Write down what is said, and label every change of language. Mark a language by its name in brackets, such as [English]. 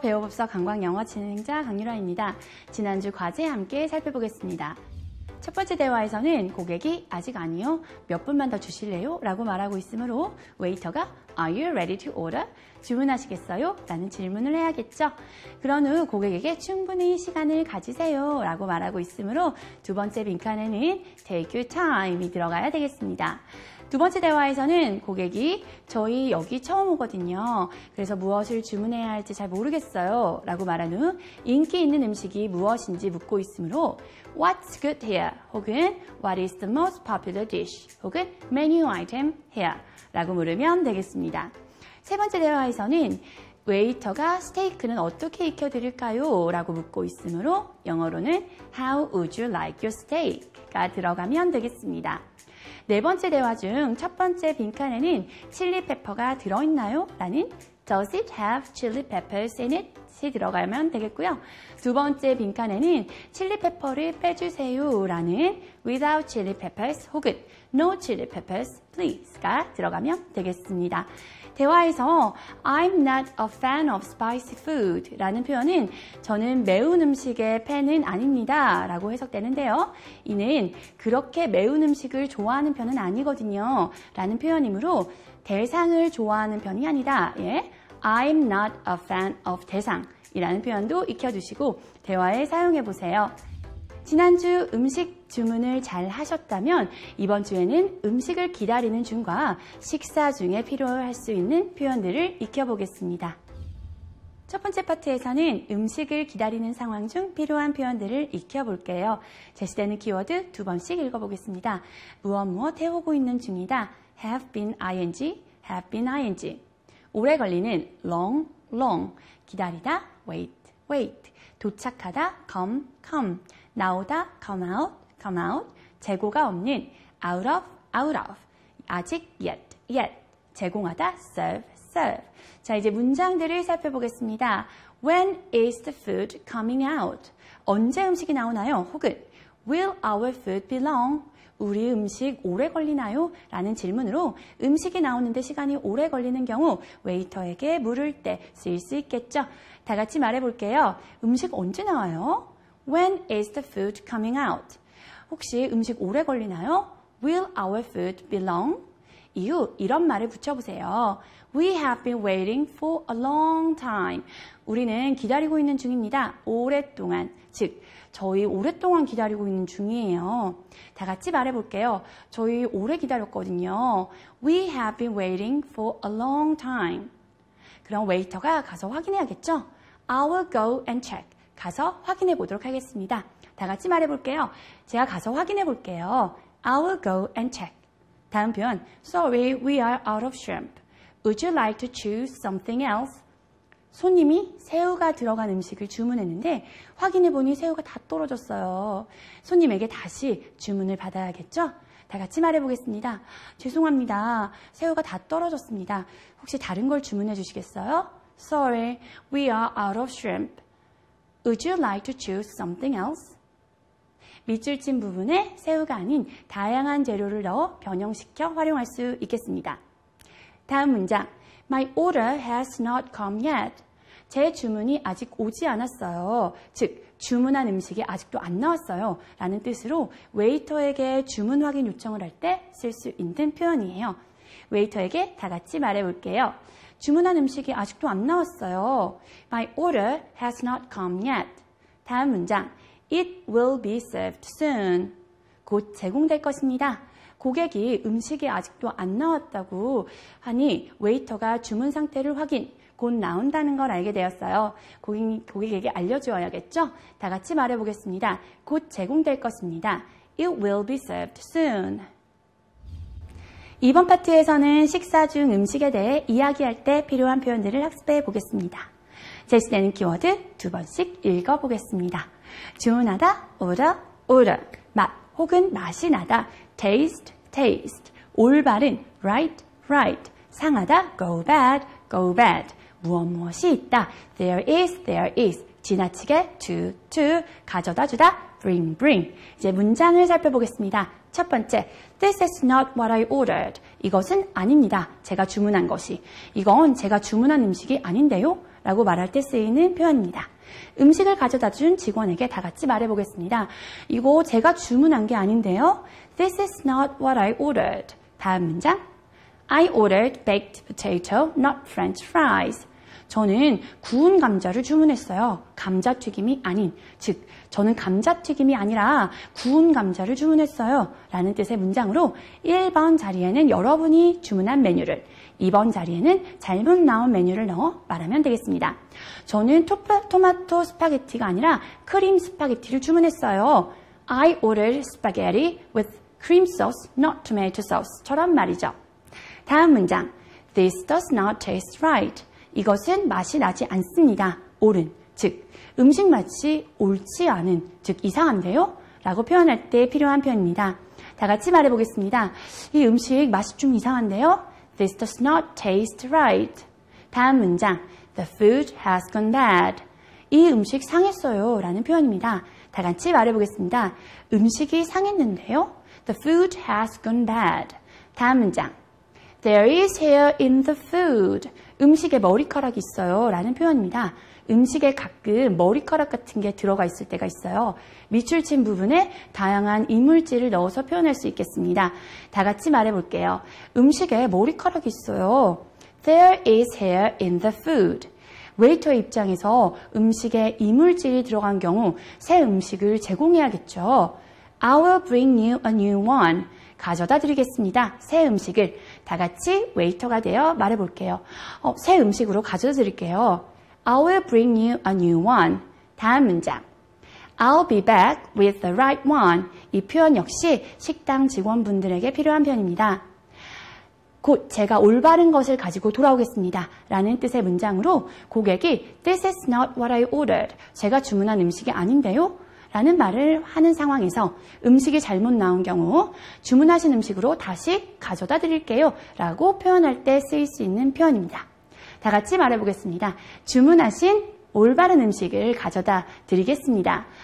[Korean] 배우법사 관광영어 진행자 강유라입니다. 지난주 과제 함께 살펴보겠습니다. 첫 번째 대화에서는 고객이 아직 아니요, 몇 분만 더 주실래요? 라고 말하고 있으므로 웨이터가 [English] Are you ready to order? [Korean] 주문하시겠어요? 라는 질문을 해야겠죠. 그런 후 고객에게 충분히 시간을 가지세요 라고 말하고 있으므로 두 번째 빈칸에는 [English] Take your time [Korean] 이 들어가야 되겠습니다. 두 번째 대화에서는 고객이 저희 여기 처음 오거든요. 그래서 무엇을 주문해야 할지 잘 모르겠어요. 라고 말한 후 인기 있는 음식이 무엇인지 묻고 있으므로 [English] What's good here? 혹은 What is the most popular dish? 혹은 Menu item here? [Korean] 라고 물으면 되겠습니다. 세 번째 대화에서는 웨이터가 스테이크는 어떻게 익혀드릴까요? 라고 묻고 있으므로 영어로는 [English] How would you like your steak? [Korean] 가 들어가면 되겠습니다. 네 번째 대화 중 첫 번째 빈칸에는 칠리 페퍼가 들어있나요? [English] 라는 Does it have chili peppers in it? [Korean] 이 들어가면 되겠고요. 두 번째 빈칸에는 칠리 페퍼를 빼주세요. [English] 라는 Without chili peppers 혹은 No chili peppers, please. [Korean] 가 들어가면 되겠습니다. 대화에서 [English] I'm not a fan of spicy food [Korean] 라는 표현은 저는 매운 음식의 팬은 아닙니다 라고 해석되는데요. 이는 그렇게 매운 음식을 좋아하는 편은 아니거든요 라는 표현이므로 대상을 좋아하는 편이 아니다. 예, [English] I'm not a fan of [Korean] 대상 이라는 표현도 익혀두시고 대화에 사용해 보세요. 지난주 음식 주문을 잘 하셨다면 이번 주에는 음식을 기다리는 중과 식사 중에 필요할 수 있는 표현들을 익혀보겠습니다. 첫 번째 파트에서는 음식을 기다리는 상황 중 필요한 표현들을 익혀볼게요. 제시되는 키워드 두 번씩 읽어보겠습니다. 무엇무엇 해오고 있는 중이다. [English] have been ing, have been ing. [Korean] 오래 걸리는 [English] long, long. 기다리다, wait, wait. 도착하다, come, come. 나오다, come out, come out. [Korean] 재고가 없는, [English] out of, out of. 아직, yet, yet. 제공하다, serve, serve. [Korean] 자, 이제 문장들을 살펴보겠습니다. [English] When is the food coming out? [Korean] 언제 음식이 나오나요? [English] 혹은, will our food be long? [Korean] 우리 음식 오래 걸리나요? 라는 질문으로 음식이 나오는데 시간이 오래 걸리는 경우 웨이터에게 물을 때 쓸 수 있겠죠? 다 같이 말해볼게요. 음식 언제 나와요? [English] When is the food coming out? [Korean] 혹시 음식 오래 걸리나요? [English] Will our food be long? [Korean] 이후 이런 말을 붙여보세요. [English] We have been waiting for a long time. [Korean] 우리는 기다리고 있는 중입니다. 오랫동안, 즉 저희 오랫동안 기다리고 있는 중이에요. 다 같이 말해볼게요. 저희 오래 기다렸거든요. [English] We have been waiting for a long time. [Korean] 그럼 웨이터가 가서 확인해야겠죠? [English] I will go and check. [Korean] 가서 확인해 보도록 하겠습니다. 다 같이 말해볼게요. 제가 가서 확인해 볼게요. [English] I will go and check. 다음 표현, Sorry, we are out of shrimp. Would you like to choose something else? [Korean] 손님이 새우가 들어간 음식을 주문했는데 확인해보니 새우가 다 떨어졌어요. 손님에게 다시 주문을 받아야겠죠? 다 같이 말해보겠습니다. 죄송합니다. 새우가 다 떨어졌습니다. 혹시 다른 걸 주문해 주시겠어요? [English] Sorry, we are out of shrimp. Would you like to choose something else? [Korean] 밑줄 친 부분에 새우가 아닌 다양한 재료를 넣어 변형시켜 활용할 수 있겠습니다. 다음 문장. [English] My order has not come yet. [Korean] 제 주문이 아직 오지 않았어요. 즉, 주문한 음식이 아직도 안 나왔어요. 라는 뜻으로 웨이터에게 주문 확인 요청을 할 때 쓸 수 있는 표현이에요. 웨이터에게 다 같이 말해볼게요. 주문한 음식이 아직도 안 나왔어요. [English] My order has not come yet. [Korean] 다음 문장. [English] It will be served soon. [Korean] 곧 제공될 것입니다. 고객이 음식이 아직도 안 나왔다고 하니 웨이터가 주문 상태를 확인, 곧 나온다는 걸 알게 되었어요. 고객에게 알려주어야겠죠? 다 같이 말해보겠습니다. 곧 제공될 것입니다. [English] It will be served soon. [Korean] 이번 파트에서는 식사 중 음식에 대해 이야기할 때 필요한 표현들을 학습해 보겠습니다. 제시되는 키워드 두 번씩 읽어보겠습니다. [English] 주문하다, order, order. [Korean] 맛 혹은 맛이 나다, [English] taste, taste. 올바른, right, right. 상하다, go bad, go bad. 무엇무엇이 있다, there is, there is. 지나치게, too, too. [Korean] 가져다 주다, [English] bring, bring. [Korean] 이제 문장을 살펴보겠습니다. 첫 번째, [English] this is not what I ordered. [Korean] 이것은 아닙니다. 제가 주문한 것이. 이건 제가 주문한 음식이 아닌데요? 라고 말할 때 쓰이는 표현입니다. 음식을 가져다 준 직원에게 다 같이 말해보겠습니다. 이거 제가 주문한 게 아닌데요. [English] This is not what I ordered. [Korean] 다음 문장. [English] I ordered baked potato, not French fries. [Korean] 저는 구운 감자를 주문했어요. 감자튀김이 아닌, 즉, 저는 감자튀김이 아니라 구운 감자를 주문했어요. 라는 뜻의 문장으로 1번 자리에는 여러분이 주문한 메뉴를, 2번 자리에는 잘못 나온 메뉴를 넣어 말하면 되겠습니다. 저는 토마토 스파게티가 아니라 크림 스파게티를 주문했어요. [English] I ordered spaghetti with cream sauce, not tomato sauce. [Korean] 처럼 말이죠. 다음 문장. [English] This does not taste right. [Korean] 이것은 맛이 나지 않습니다. 옳은, 즉 음식 맛이 옳지 않은, 즉 이상한데요? 라고 표현할 때 필요한 표현입니다. 다 같이 말해보겠습니다. 이 음식 맛이 좀 이상한데요? [English] This does not taste right. [Korean] 다음 문장. [English] The food has gone bad. [Korean] 이 음식 상했어요. 라는 표현입니다. 다 같이 말해보겠습니다. 음식이 상했는데요? [English] The food has gone bad. [Korean] 다음 문장. [English] There is hair in the food. [Korean] 음식에 머리카락이 있어요 라는 표현입니다. 음식에 가끔 머리카락 같은 게 들어가 있을 때가 있어요. 밑줄친 부분에 다양한 이물질을 넣어서 표현할 수 있겠습니다. 다 같이 말해볼게요. 음식에 머리카락이 있어요. [English] There is hair in the food. [Korean] 웨이터 입장에서 음식에 이물질이 들어간 경우 새 음식을 제공해야겠죠. [English] I will bring you a new one. [Korean] 가져다 드리겠습니다. 새 음식을 다 같이 웨이터가 되어 말해볼게요. 새 음식으로 가져다 드릴게요. [English] I will bring you a new one. [Korean] 다음 문장. [English] I'll be back with the right one. [Korean] 이 표현 역시 식당 직원분들에게 필요한 표현입니다. 곧 제가 올바른 것을 가지고 돌아오겠습니다. 라는 뜻의 문장으로 고객이 [English] This is not what I ordered. [Korean] 제가 주문한 음식이 아닌데요. 라는 말을 하는 상황에서 음식이 잘못 나온 경우 주문하신 음식으로 다시 가져다 드릴게요 라고 표현할 때 쓰일 수 있는 표현입니다. 다 같이 말해보겠습니다. 주문하신 올바른 음식을 가져다 드리겠습니다.